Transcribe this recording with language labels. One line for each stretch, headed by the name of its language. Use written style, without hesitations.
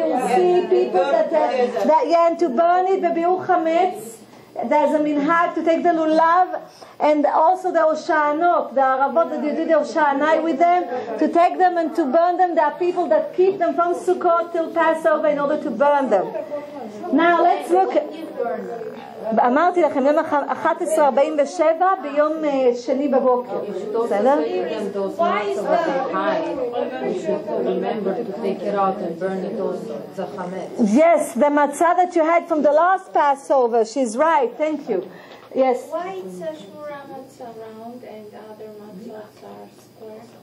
English: You will see people and to burn it, bebi'uch hametz. There's a minhag to take the lulav and also the oshanot, the arabot that you do the oshanai with them, to take them and to burn them. There are people that keep them from Sukkot till Passover in order to burn them. Now let's look.
Hebrew: אמרתי לכם, יום 11:47 ביום שני בבוקר. בסדר?
English: Why is that? Remember to take it out and burn it on the chametz. Yes, the matzah that you had from the last Passover. She's right. Thank you. Yes. Why is Shmura matzah round and other matzahs are square?